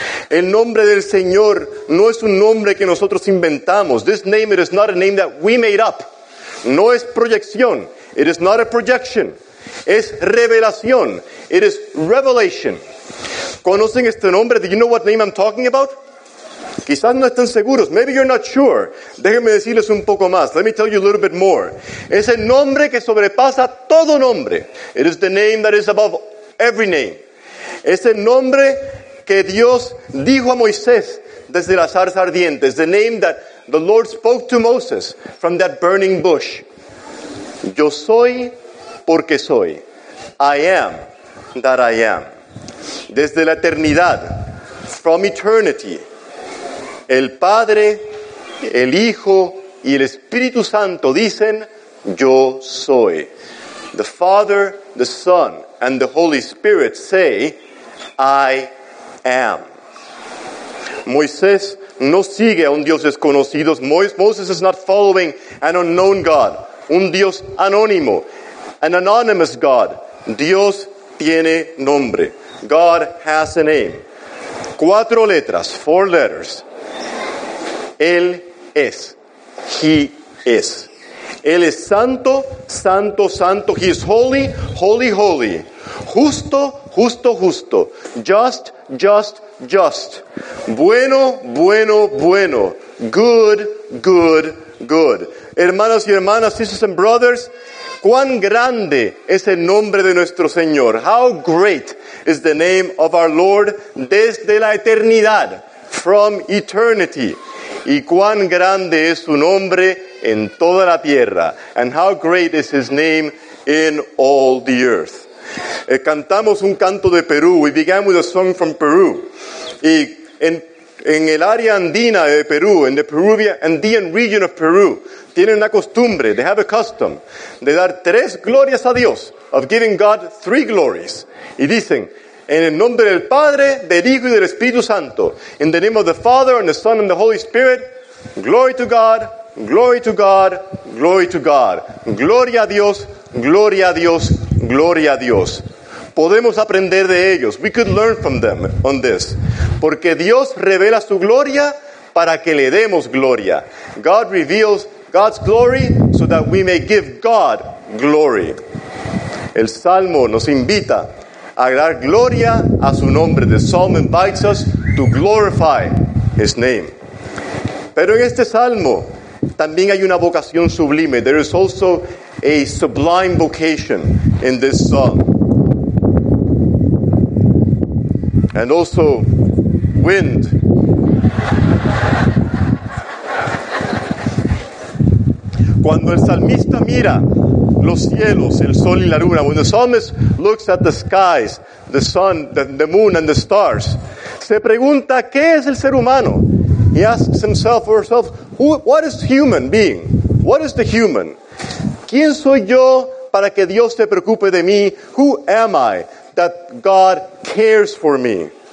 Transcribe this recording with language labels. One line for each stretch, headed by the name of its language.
Spanish: El nombre del Señor no es un nombre que nosotros inventamos.
English: This name, it is not a name that we made up.
Spanish: No es proyección.
English: It is not a projection.
Spanish: Es revelación.
English: It is revelation.
Spanish: ¿Conocen este nombre?
English: Do you know what name I'm talking about?
Spanish: Quizás no estén seguros.
English: Maybe you're not sure.
Spanish: Déjenme decirles un poco más.
English: Let me tell you a little bit more.
Spanish: Es el nombre que sobrepasa todo nombre.
English: It is the name that is above every name.
Spanish: Es el nombre que Dios dijo a Moisés desde la zarza ardiente.
English: It's the name that the Lord spoke to Moses from that burning bush.
Spanish: Yo soy porque soy.
English: I am that I am.
Spanish: Desde la eternidad,
English: from eternity,
Spanish: el Padre, el Hijo y el Espíritu Santo dicen, yo soy.
English: The Father, the Son, and the Holy Spirit say, I am.
Spanish: Moisés no sigue a un Dios desconocido.
English: Moses is not following an unknown God,
Spanish: un Dios anónimo,
English: an anonymous God.
Spanish: Dios tiene nombre.
English: God has a name.
Spanish: Cuatro letras,
English: four letters.
Spanish: Él es.
English: He is.
Spanish: Él es santo, santo, santo.
English: He is holy, holy, holy.
Spanish: Justo, justo, justo.
English: Just, just, just.
Spanish: Bueno, bueno, bueno.
English: Good, good, good.
Spanish: Hermanos y hermanas,
English: sisters and brothers,
Spanish: cuán grande es el nombre de nuestro Señor.
English: How great is the name of our Lord
Spanish: desde la eternidad,
English: from eternity.
Spanish: Y cuán grande es su nombre en toda la tierra.
English: And how great is his name in all the earth.
Spanish: Cantamos un canto de Perú.
English: We began with a song from Peru.
Spanish: Y en el área andina de Perú,
English: in the Peruvian Andean region of Peru,
Spanish: tienen una costumbre,
English: they have a custom,
Spanish: de dar tres glorias a Dios,
English: of giving God three glories.
Spanish: Y dicen, en el nombre del Padre, del Hijo y del Espíritu Santo,
English: in the name of the Father, and the Son, and the Holy Spirit, glory to God, glory to God, glory to God.
Spanish: Gloria a Dios, gloria a Dios, gloria a Dios. Podemos aprender de ellos.
English: We could learn from them on this.
Spanish: Porque Dios revela su gloria para que le demos gloria.
English: God reveals God's glory so that we may give God glory.
Spanish: El Salmo nos invita a dar gloria a su nombre.
English: The Psalm invites us to glorify his name.
Spanish: Pero en este Salmo también hay una vocación sublime.
English: There is also a sublime vocation in this Psalm. And also wind.
Spanish: Cuando el salmista mira los cielos, el sol y la luna,
English: when the psalmist looks at the skies, the sun, the moon and the stars,
Spanish: se pregunta, ¿qué es el ser humano?
English: He asks himself or herself, what is human being? What is the human?
Spanish: ¿Quién soy yo para que Dios se preocupe de mí?
English: Who am I that God cares for me?